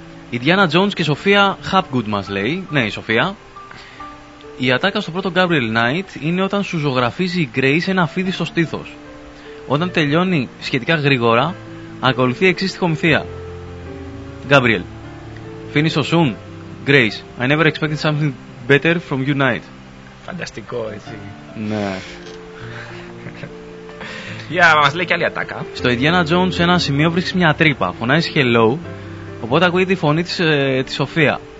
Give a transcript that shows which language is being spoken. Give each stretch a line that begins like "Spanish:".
Greek: Η Diana Jones και η Σοφία Hapgood μας λέει. Ναι, η Σοφία. Η ατάκα στο πρώτο Gabriel Knight είναι όταν σου ζωγραφίζει η Grace ένα φίδι στο στήθος. Όταν τελειώνει σχετικά γρήγορα, ακολουθεί εξής τυχομηθεία.
English: Gabriel. Finish so soon. Grace. I never expected something better from you, Knight.
Greek: Φανταστικό, έτσι. Ναι. Για μας λέει και άλλη ατάκα. Στο Indiana Jones σε ένα σημείο βρίσκεις μια τρύπα. Φωνάζεις hello. Οπότε ακούει τη φωνή της τη Σοφία.